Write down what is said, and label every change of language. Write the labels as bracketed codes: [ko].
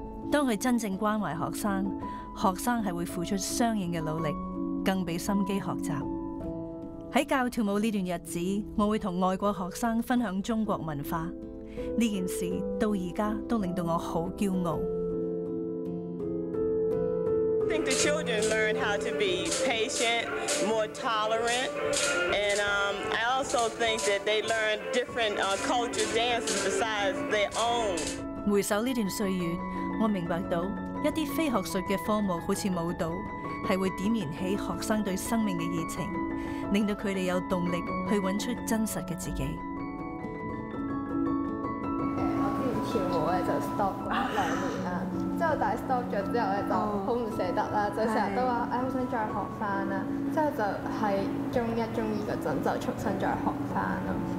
[yue] 当他真正关怀学生，学生是会付出相应的努力，更被心机学习。在教跳舞这段日子，我会跟外国学生分享中国文化，这件事到现在都令到我很骄傲。 [en] I think the children learn how to be patient, more tolerant, and I also think that they learn different culture dances besides their own. [yue] 回首这段岁月，我明白到一些非学术的科目好像舞蹈，是会点燃起学生对生命的热情，令到他们有动力去找出真实的自己。我之前跳舞就 stop 了2年，之后但 stop 了之后就很不舍得，就成日都说我想再学翻，之后就在中一中二嗰阵就促成再学翻。